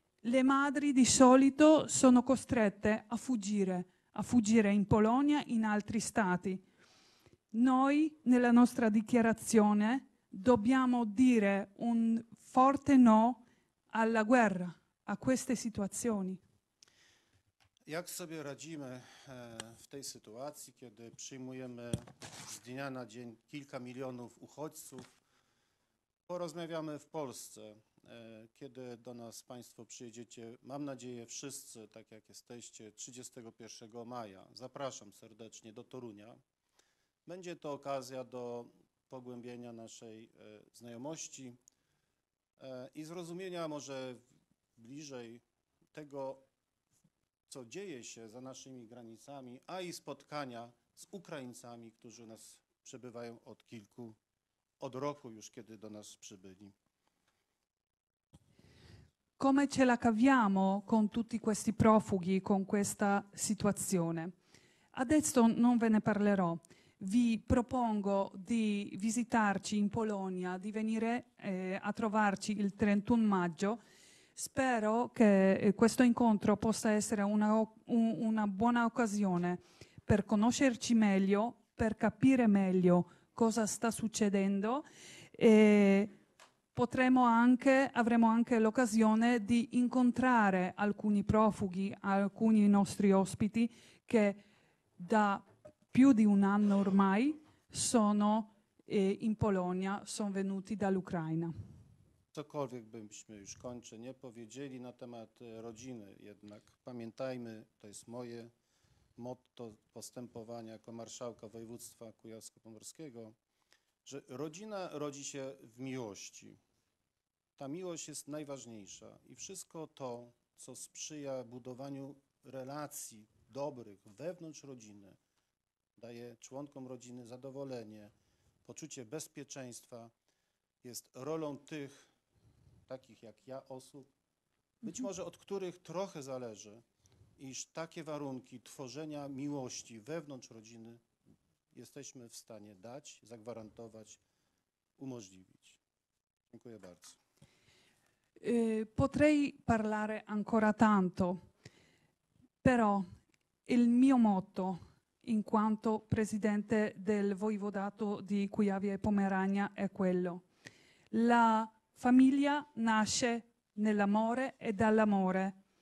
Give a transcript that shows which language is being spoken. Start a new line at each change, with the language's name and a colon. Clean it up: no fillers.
Italian: Le madri di solito sono costrette a fuggire in Polonia, in altri stati. Noi, nella nostra dichiarazione, dobbiamo dire un forte no alla guerra, a queste situazioni.
Polish: Jak sobie radzimy w tej sytuacji, kiedy przyjmujemy z dnia na dzień kilka milionów uchodźców? Porozmawiamy w Polsce, kiedy do nas Państwo przyjedziecie, mam nadzieję wszyscy, tak jak jesteście, 31 maja. Zapraszam serdecznie do Torunia. Będzie to okazja do pogłębienia naszej znajomości i zrozumienia może bliżej tego, co dzieje się za naszymi granicami, a i spotkania z Ukraińcami, którzy u nas przebywają od roku już, kiedy do nas przybyli.
Italian: Come ce la caviamo con tutti questi profughi, con questa situazione? Adesso non ve ne parlerò. Vi propongo di visitarci in Polonia, di venire a trovarci il 31 maggio. Spero che questo incontro possa essere una buona occasione per conoscerci meglio, per capire meglio cosa sta succedendo e avremo anche l'occasione di incontrare alcuni profughi, alcuni nostri ospiti che da più di un anno ormai sono in Polonia, sono venuti dall'Ucraina.
Polish: Cokolwiek byśmy już kończę, nie powiedzieli na temat rodziny, jednak pamiętajmy, to jest moje motto postępowania jako marszałka województwa kujawsko-pomorskiego, że rodzina rodzi się w miłości. Ta miłość jest najważniejsza i wszystko to, co sprzyja budowaniu relacji dobrych wewnątrz rodziny, daje członkom rodziny zadowolenie, poczucie bezpieczeństwa, jest rolą tych, takich jak ja, osób, być może od których trochę zależy, iż takie warunki tworzenia miłości wewnątrz rodziny jesteśmy w stanie dać, zagwarantować, umożliwić. Dziękuję bardzo.
Italian: Potrei parlare ancora tanto, però il mio motto in quanto presidente del Voivodato di Kujawia e Pomerania è quello. La famiglia nasce nell'amore e dall'amore.